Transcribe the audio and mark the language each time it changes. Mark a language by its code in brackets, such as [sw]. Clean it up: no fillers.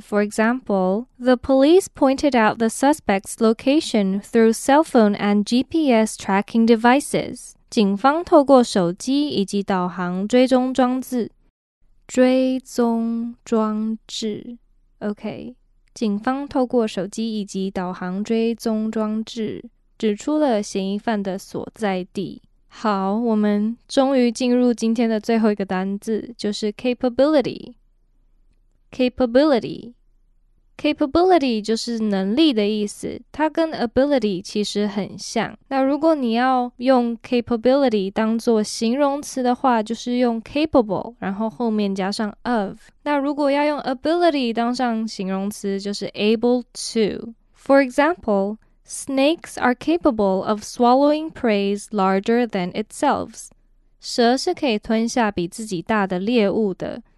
[en] For example, the police pointed out the suspect's location through cell phone and GPS tracking devices. [zh] 警方透过手机以及导航追踪装置。追踪装置。OK, 警方透过手机以及导航追踪装置指出了嫌疑犯的所在地。好，我们终于进入今天的最后一个单字，就是 capability。 capability, capability 就是能力的意思，它跟 ability 其实很像。那如果你要用 capability 当作形容词的话，就是用 capable 然后后面加上 of。那如果要用 ability 当上形容词，就是 able to。 [en] For example, Snakes are capable of swallowing prey larger than itself. [zh] 蛇是可以吞下比自己大的猎物的。